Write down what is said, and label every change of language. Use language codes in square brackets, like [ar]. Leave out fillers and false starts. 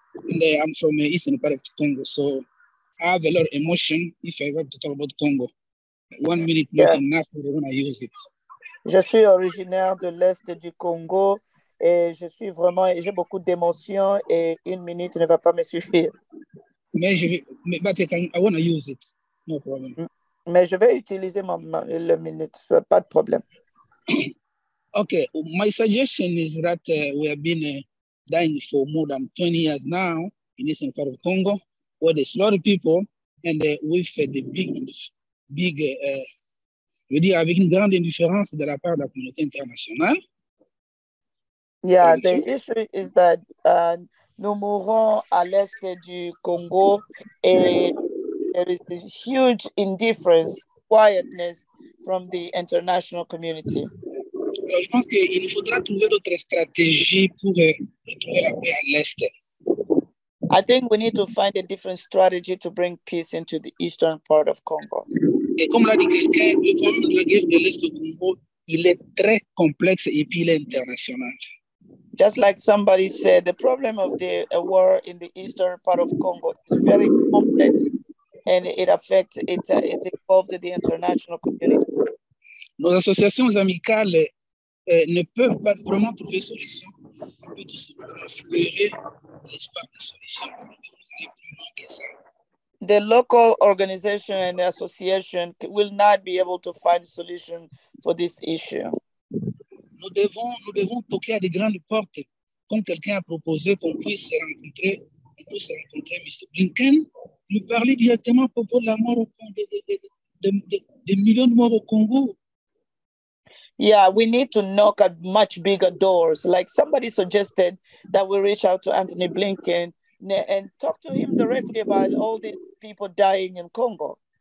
[en] And I'm from the eastern part of the Congo, so I have a lot of emotion if I have to talk about Congo. 1 minute, not enough, we're going to use it. [fr] Je suis originaire de l'Est du Congo et je suis vraiment, j'ai beaucoup d'émotions et 1 minute ne va pas me suffire. [en] But I want to use it, no problem. [fr] Mais je vais utiliser le minute, pas de problème. [en] Okay, my suggestion is that we have been dying for more than 20 years now in the eastern part of Congo, where there's a lot of people, and with the big, [fr] je veux dire, avec une grande indifférence de la part de la communauté internationale. [en] Yeah, the issue is that [fr] nous mourons à l'est du Congo et [en] there is a huge indifference, quietness from the international community. [fr] Alors, je pense qu'il nous faudra trouver d'autres stratégies pour retrouver la paix à l'est. [en] I think we need to find a different strategy to bring peace into the eastern part of Congo. [fr] Et comme l'a dit quelqu'un, le problème de la guerre de l'est du Congo, il est très complexe et puis il est international. [en] Just like somebody said, the problem of the war in the eastern part of Congo is very complex and it affects, it involves the international community. [fr] Nos associations amicales ne peuvent pas vraiment trouver solution. Et tout simplement fleurir l'espoir de solution. Vous allez plus loin que ça. [en] The local organization and the association will not be able to find a solution for this issue. [fr] Nous devons toquer à des grandes portes, comme quelqu'un a proposé qu'on puisse se rencontrer, Mr. Blinken, lui parler directement à propos de la mort au Congo, des millions de morts au Congo. [en] Yeah, we need to knock at much bigger doors. Like somebody suggested that we reach out to Anthony Blinken and talk to him directly about all these people dying in Congo.